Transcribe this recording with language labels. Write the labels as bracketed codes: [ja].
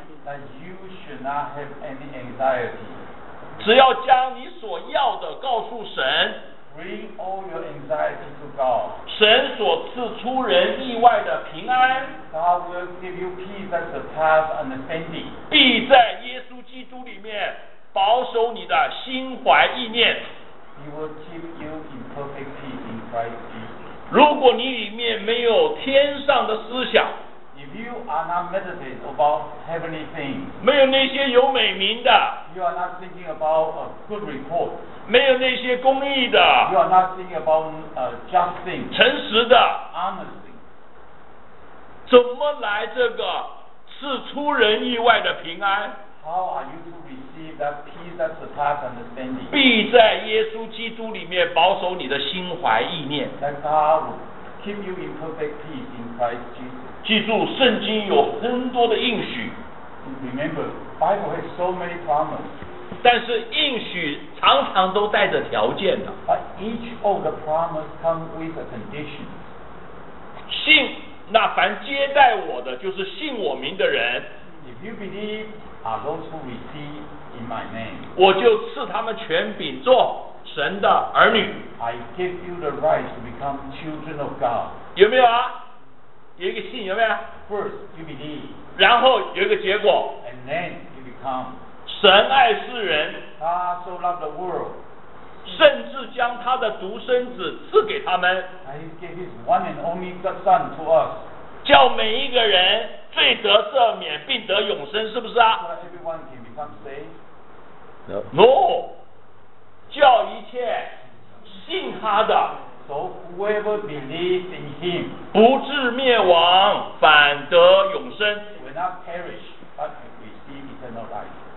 [en] That you should not have any anxiety. [zh] 只要将你所要的告诉神。 [en] Bring all your anxiety to God. [zh] 神所赐出人意外的平安。 [en] God will give you peace that surpasses understanding. [zh] 必在耶稣基督里面保守你的心怀意念。 [en] He will keep you in perfect peace in Christ Jesus. [zh] 如果你里面没有天上的思想， [en] If you are not meditating about heavenly things, [zh] 没有那些有美名的， [en] You are not thinking about a good report. [zh] 没有那些公义的 [en] you are not thinking about, just things, [zh] 诚实的 [en] honestly, [zh] 怎么来这个是出人意外的平安 [en] How are you to receive that peace that surpasses understanding? [zh] 必在耶稣基督里面保守你的心怀意念 [en] That God will keep you in perfect peace in Christ Jesus [zh] 记住圣经有很多的应许 [en] Remember, Bible has so many promises [zh] 但是应许常常都带着条件的。 [en] But each of the promise come with a condition. [zh] 信，那凡接待我的，就是信我名的人。 [en] If you believe, are those who receive in my name. [zh] 我就赐他们权柄做神的儿女。 [en] I give you the right to become children of God. [zh] 有没有啊？有一个信有没有 [en] ？First, you believe. [zh] 然后有一个结果。 [en] And then you become. [zh] 神爱世人 [en] God so loved the world [zh] 甚至将他的独生子赐给他们 [en] He gave his one and only son to us [zh] 叫每一个人罪得赦免并得永生是不是啊 [en] So that everyone can become saved No [zh] No 叫一切信他的 [en] So whoever believes in him [zh] 不至灭亡反得永生 [en] Will not perish but receive eternal life